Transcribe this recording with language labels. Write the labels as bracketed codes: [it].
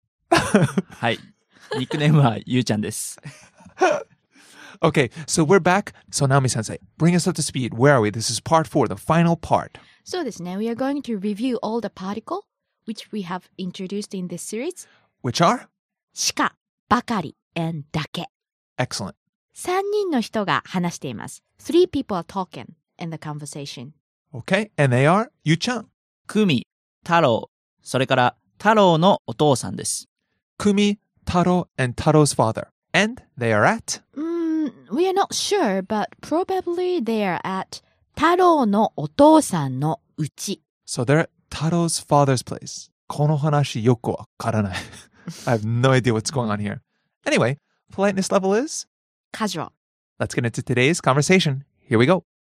[ja] はい。ニックネームは Yu-chan です。 [en] Okay, so we're back. So Naomi-sensei, bring us up to speed. Where are we? This is part four, the final part. [ja] そうですね。 [en] We are going to review all the particle which we have introduced in this series. Which are? [ja] しか、ばかり、and だけ。 [en] Excellent. [ja] 三人の人が話しています。 [en] Three people are talking in the conversation. Okay, and they are? Yu-chan. [ja] Kumi, Taro, それから Taro のお父さんです。 [en] Kumi, Taro, and Taro's father. And they are at? We are not sure, but probably they are at [ja] Taro のお父さんのうち。 [en] So they're at Taro's father's place. [ja] この話よくわからない。 [en] I have no idea what's going on here. Anyway, politeness level is? Casual. Let's get into today's conversation. Here we go.